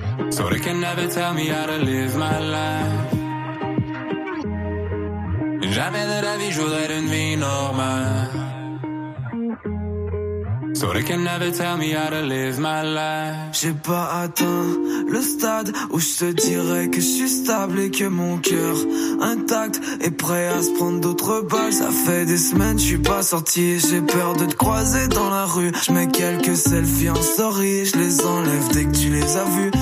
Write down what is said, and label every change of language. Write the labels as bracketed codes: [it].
[en] So they can never tell me how to live my life. [fr] Jamais de la vie, je voudrais une vie normale. [en] So they can never tell me how to live my life. [fr] J'ai pas atteint le stade où je te dirais que je suis stable et que mon cœur intact est prêt à se prendre d'autres balles. Ça fait des semaines, je suis pas sorti. J'ai peur de te croiser dans la rue. Je mets quelques selfies en story. Je les enlève dès que tu les as vus.